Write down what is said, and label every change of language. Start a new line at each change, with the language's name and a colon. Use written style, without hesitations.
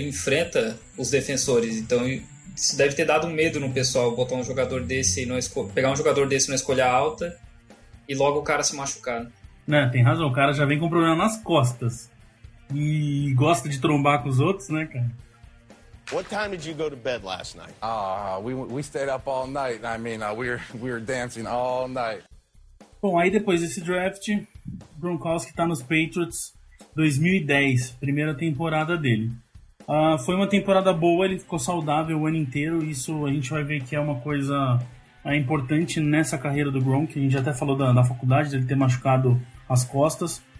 Portuguese: Ele enfrenta os defensores. Então isso deve ter dado medo no pessoal, botar um jogador desse pegar um jogador desse na escolha alta e logo o cara se machucar. Né, tem razão, o cara já vem com problema nas costas e gosta de trombar com os outros, né, cara?
English: What time did you go to bed last night? We stayed up all night. I mean, we were dancing all night.
Portuguese: Bom, aí depois desse draft, Gronkowski tá nos Patriots 2010, primeira temporada dele. Foi uma temporada boa, ele ficou saudável o ano inteiro. Isso a gente vai ver que é uma coisa importante nessa carreira do Gronk. A gente até falou da faculdade, dele ter machucado as costas.